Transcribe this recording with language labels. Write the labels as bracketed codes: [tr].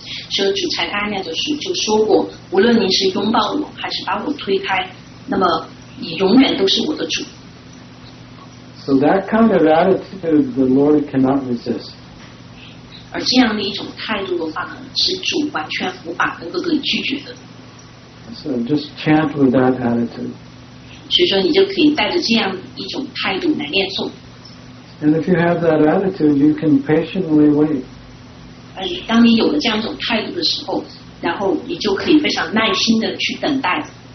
[zh] 所以主才大量的时就说过，无论您是拥抱我还是把我推开，那么你永远都是我的主。 [en] So that kind of attitude the Lord cannot resist. [zh] 而这样的一种态度的话呢，是主完全无法能够给拒绝的。 [en] So just chant with that attitude. [zh] 所以说你就可以带着这样一种态度来念诵。 [en] And if you have that attitude, you can patiently wait. [zh] 当你有了这样一种态度的时候，然后你就可以非常耐心的去等待。